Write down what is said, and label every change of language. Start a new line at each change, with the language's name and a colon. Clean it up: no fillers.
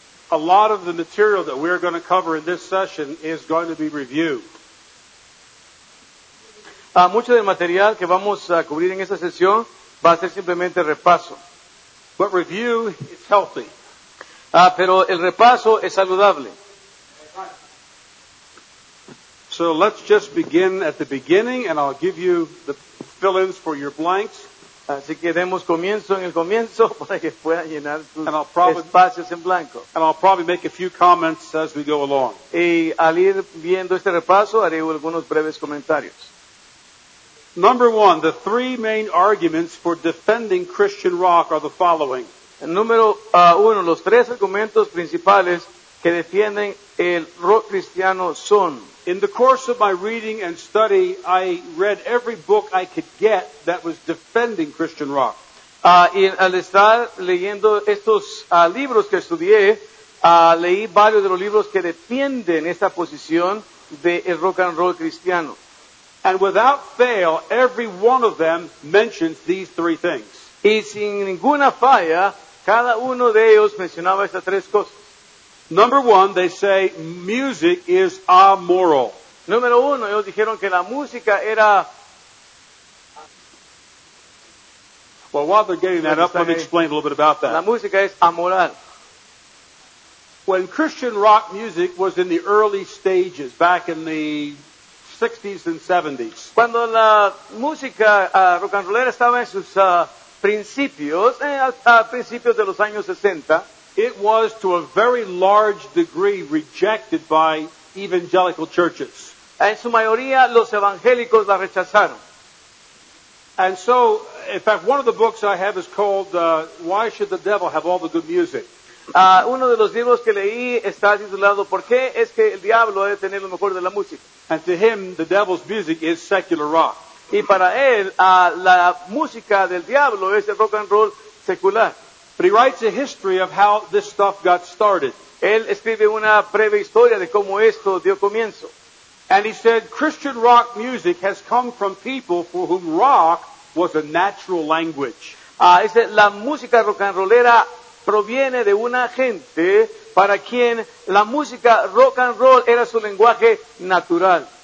English: A lot of the material that we're going to cover in this session is going to be reviewed.
Spanish: Mucho del material que vamos a cubrir en esta sesión va a ser simplemente repaso.
English: But review is healthy.
Spanish: Pero el repaso es saludable.
English: So let's just begin at the beginning and I'll give you the fill-ins for your blanks.
Spanish: Así que demos comienzo en el comienzo para que puedan llenar sus espacios en blanco.
English: And I'll probably make a few comments as we go along.
Spanish: Y al ir viendo este repaso, haré algunos breves comentarios.
English: Number one, the three main arguments for defending Christian rock are the following.
Spanish: Número uno, los tres argumentos principales que defienden el rock cristiano son...
English: In the course of my reading and study, I read every book I could get that was defending Christian rock.
Spanish: Y al estar leyendo estos libros que estudié, leí varios de los libros que defienden esta posición del rock and roll cristiano.
English: And without fail, every one of them mentions these three things.
Spanish: Y sin ninguna falla, cada uno de ellos mencionaba estas tres cosas.
English: Number one, they say music is amoral.
Spanish: Número uno, ellos dijeron que la música era...
English: Well, while they're getting that up, let me explain a little bit about that.
Spanish: La música es amoral.
English: When Christian rock music was in the early stages, back in the 60s and 70s.
Spanish: Cuando la música rock and rollera estaba en sus principios, a principios de los años 60...
English: It was to a very large degree rejected by evangelical churches.
Spanish: En su mayoría, los evangélicos la rechazaron.
English: And so, in fact, one of the books I have is called Why Should the Devil Have All the Good Music?
Spanish: Uno de los libros que leí está titulado ¿Por qué es que el diablo debe tener lo mejor de la música?
English: And to him, the devil's music is secular rock.
Spanish: Y para él, la música del diablo es el rock and roll secular.
English: But he writes a history of how this stuff got started.
Spanish: Él escribe una breve historia de cómo esto dio comienzo.
English: And he said, Christian rock music has come from people for whom rock was a natural language.
Spanish: Dice, la música rock and rollera proviene de una gente para quien la música rock and roll era su lenguaje natural.